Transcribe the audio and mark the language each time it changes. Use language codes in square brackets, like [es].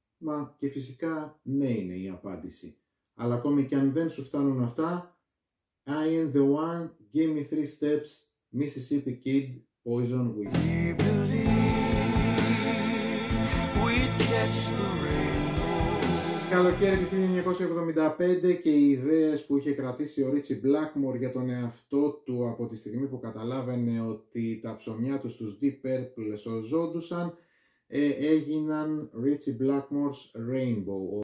[el] Μα και φυσικά ναι είναι η απάντηση. Αλλά ακόμη και αν δεν σου φτάνουν αυτά, I am the one, give me three steps, Mississippi Kid, Poison Whiskey. [en] We believe we catch the rainbow. [el] Καλοκαίρι του 1975 και οι ιδέες που είχε κρατήσει ο Ρίτσι Μπλάκμορ για τον εαυτό του από τη στιγμή που καταλάβαινε ότι τα ψωμιά του στους Deep Purple σωζόντουσαν, έγιναν Ritchie Blackmore's Rainbow.